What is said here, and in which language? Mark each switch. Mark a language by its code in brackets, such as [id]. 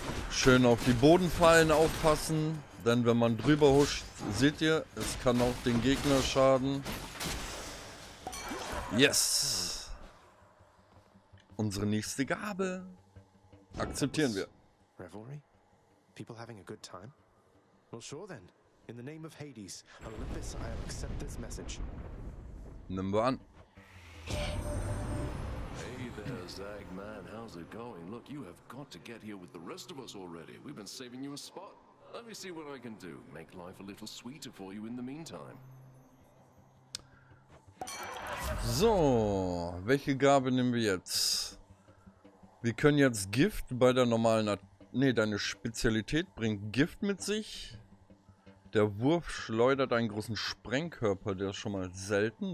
[de] Schön auf die Bodenfallen aufpassen. Denn wenn man drüber huscht, seht ihr, es kann auch den Gegner schaden. Yes! Unsere nächste Gabe akzeptieren wir. [en] Revelry? People having a good time? Well, sure then. In the name of Hades, Olympus, I'll accept this message. Nehmen wir an. Hey there, Zagman. How's it going? Look, you have got to get here with the rest of us already. We've been saving you a spot. Let me see what I can do. Make life a little sweeter for you in the meantime. [de] So, welche Gabe nehmen wir jetzt? Wir können jetzt Gift bei der normalen... deine Spezialität bringt Gift mit sich. Der Wurf schleudert einen großen Sprengkörper, der ist schon mal selten.